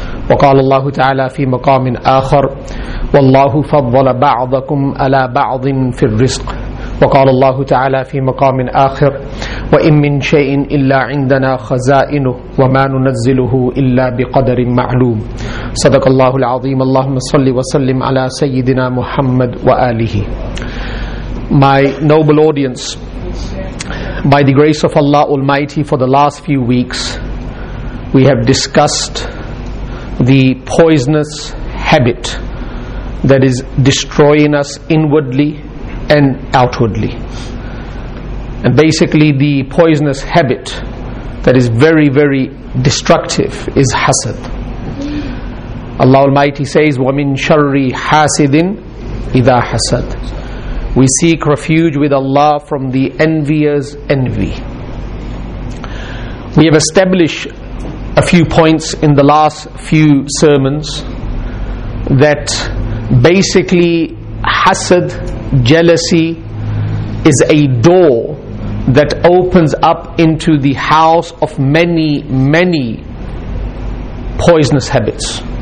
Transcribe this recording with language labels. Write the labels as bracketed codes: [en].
[ar] وقال الله تعالى في مقام آخر: والله فضل بعضكم على بعض في الرزق. وقال الله تعالى في مقام آخر: وإن من شيء إلا عندنا خزائنه وما ننزله إلا بقدر معلوم. صدق الله العظيم. اللهم صل وسلم على سيدنا محمد وآله. [en] My noble audience, by the grace of Allah Almighty, for the last few weeks we have discussed the poisonous habit that is destroying us inwardly and outwardly. And basically the poisonous habit that is very, very destructive is hasad. Allah Almighty says, [ar] وَمِن شَرِّ حَاسِدٍ إِذَا حَسَد. [en] We seek refuge with Allah from the envier's envy. We have established a few points in the last few sermons that basically hasad, jealousy, is a door that opens up into the house of many, many poisonous habits.